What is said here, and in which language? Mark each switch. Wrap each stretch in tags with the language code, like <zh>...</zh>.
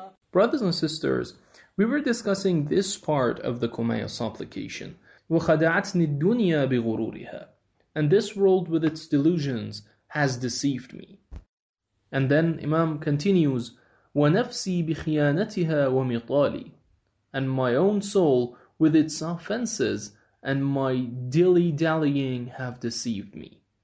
<en>Brothers and sisters, we were discussing this part of the Kumail supplication.</en> <ar>وخدعتني الدنيا بغرورها.</ar> <en>And this world with its delusions has deceived me. And then Imam continues,</en> <ar>وَنَفْسِي بِخِيَانَتِهَا وَمِطَالِي.</ar> <en>And my own soul with its offenses and my dilly-dallying have deceived me.</en>